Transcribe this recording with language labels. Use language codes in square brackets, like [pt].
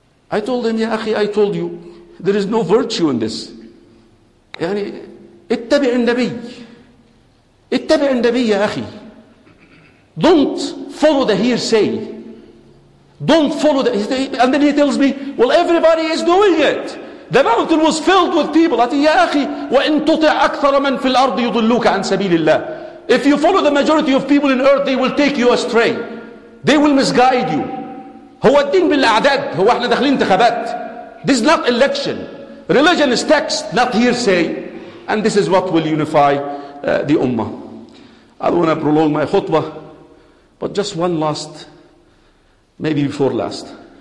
[en] I told him, Ya Akhi, I told you, there is no virtue in this. [ar] يعني, اتبع النبي. اتبع النبي يا أخي. [en] Don't follow the hearsay. Don't follow the... And then he tells me, well, everybody is doing it. The mountain was filled with people. [ar] يا أخي, وَإِن تُطِعْ أَكْثَرَ مَن فِي الْأَرْضِ يُضُلُّكَ عَن سَبِيلِ اللَّهِ. [en] If you follow the majority of people in earth, they will take you astray. They will misguide you. [ar] هو الدين بالأعداد. هو احنا داخلين انتخابات. [en] This is not election. Religion is text, not hearsay. And this is what will unify the ummah. I don't want to prolong my khutbah, but just one last, maybe before last.